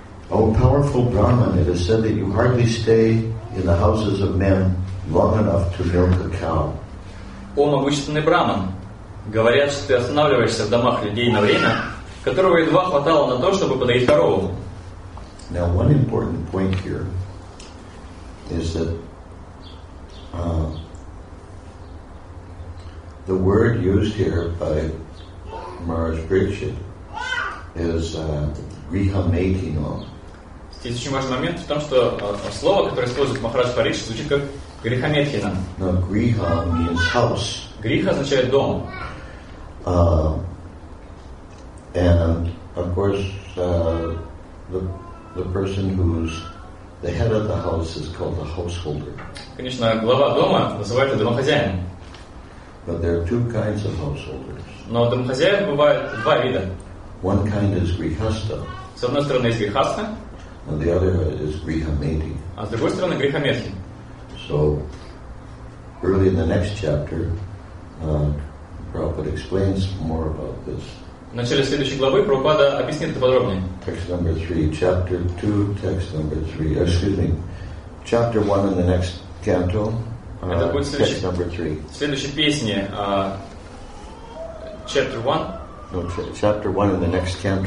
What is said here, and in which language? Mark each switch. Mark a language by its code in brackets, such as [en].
[en] O powerful Brahman, it is said that you hardly stay in the houses of men long enough to milk a cow. [ru] О, могущественный Браман, говорят, что ты останавливаешься в домах людей на время, которого едва хватало на то, чтобы подоить корову. [en] Now, one important point here is that the word used here by Maharaj Prakshit is grihamedinam. [ru] Здесь очень важный момент в том, что слово, которое использует Махарадж Парикшит, звучит как грихамедхинам. [en] No, griha means house. [ru] Гриха означает дом. [en] And of course the person who's the head of the house is called the householder. [ru] Конечно, глава дома называется домохозяином. [en] But there are two kinds of householders. [ru] Но домохозяев бывает два вида. [en] One kind is grihastha. [ru] С одной стороны есть грихастха. [en] And the other is grihamedhi. [ru] А с другой стороны грихамедхи. [en] So, early in the next chapter, Prabhupada explains more about this. [ru] В начале следующей главы Прабхупада объяснит это подробнее. [en] Text number 3, chapter 2, text number 3. Excuse me. Chapter 1 in the next canto. [ru] Это будет следующий, [en] number 3. [ru] Следующая песня. [en] Chapter 1. No, chapter 1 in the next canto.